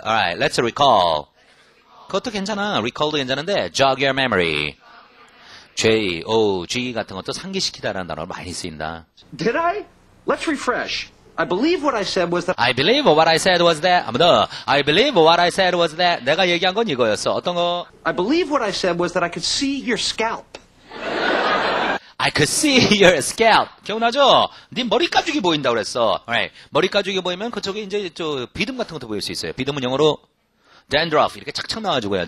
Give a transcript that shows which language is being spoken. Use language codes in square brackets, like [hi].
[en] Alright, let's recall. [ko] 그것도 괜찮아. [en] recall도 괜찮은데 jog your memory. [ko] J-O-G 같은 것도 상기시키다라는 단어를 많이 쓰인다. [en] Did I? Let's refresh. I believe what I said was that. I believe what I said was that. [ko] 한 번 더. [en] I believe what I said was that. [ko] 내가 얘기한 건 이거였어. 어떤 거? [en] I believe what I said was that I could see your scalp. I could see your scalp. [ko] 기억나죠? 네 머리가죽이 보인다고 그랬어. [en] Alright. [ko] 머리가죽이 보이면 그쪽에 이제 저 비듬 같은 것도 보일 수 있어요. 비듬은 영어로 dandruff. 이렇게 착착 나와주고요.